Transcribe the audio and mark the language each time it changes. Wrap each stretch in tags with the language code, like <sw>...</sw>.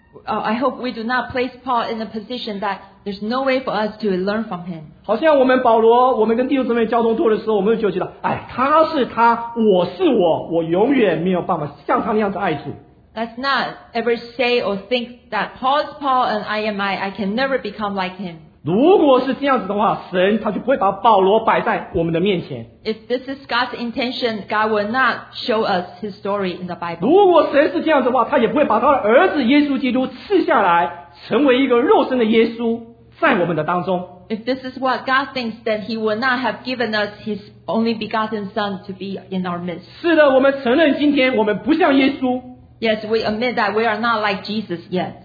<en>I hope we do not place Paul in a position that there's no way for us to learn from him.</en> <zh>好像我们保罗，我们跟弟兄姊妹交通多的时候，我们就觉得，哎，他是他，我是我，我永远没有办法像他那样子爱主。</zh> <en>Let's not ever say or think that Paul's Paul and I can never become like him.</en> <zh>如果是这样子的话，神他就不会把保罗摆在我们的面前。</zh> <en>If this is God's intention, God will not show us his story in the Bible.</en> <zh>如果神是这样子的话，他也不会把他的儿子耶稣基督赐下来，成为一个肉身的耶稣，在我们的当中。</zh> <en>If this is what God thinks, then he will not have given us his only begotten son to be in our midst.</en> <zh>是的，我们承认今天我们不像耶稣。</zh> <en>Yes, we admit that we are not like Jesus yet.</en>